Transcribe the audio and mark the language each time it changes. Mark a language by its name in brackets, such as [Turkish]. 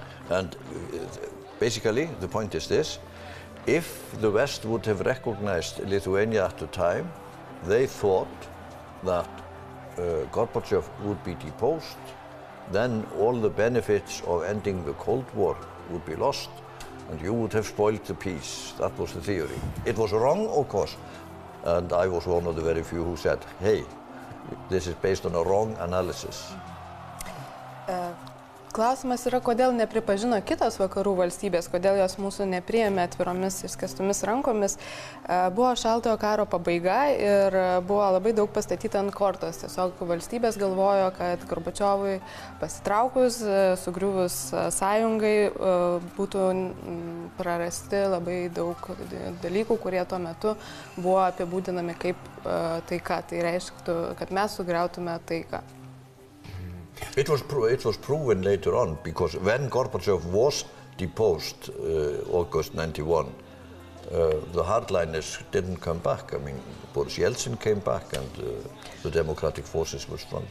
[English] And basically the point is this: if the West would have recognized Lithuania at the time, they thought that Gorbachev would be deposed, then all the benefits of ending the Cold War would be lost, and you would have spoiled the peace. That was the theory. It was wrong, of course, and I was one of the very few who said, hey, this is based on a wrong analysis. [Lithuanian] Klausimas yra, kodėl nepripažino kitos vakarų valstybės, kodėl jos mūsų nepriėmė atviromis ir skestomis rankomis. Buvo šaltojo karo pabaiga ir buvo labai daug pastatyta ant kortos. Tiesiog valstybės galvojo, kad Gorbačiovui pasitraukus, sugriuvus sąjungai, būtų prarasti labai daug dalykų, kurie tuo metu buvo apibūdinami kaip taika. Tai reiškia, kad mes sugriautume taiką. [English] It was proven later on, because when Gorbachev was deposed August 91, the hardliners didn't come back. I mean, Boris Yeltsin came back and the democratic forces were strong.